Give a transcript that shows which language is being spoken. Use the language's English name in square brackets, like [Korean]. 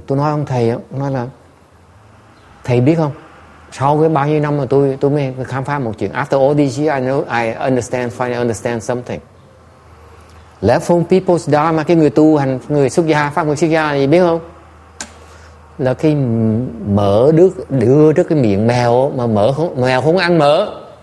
[Vietnamese] Tôi nói ông thầy, ông nói là thầy biết không? Sau cái bao nhiêu năm mà tôi mới khám phá một chuyện. [English] After all these years, I finally understand something. Left home people's dharma, [Vietnamese] cái người tu hành, người xuất gia, pháp người xuất gia thì biết không? Là khi mở được, đưa được cái miệng mèo mà mở không, mèo không ăn mỡ.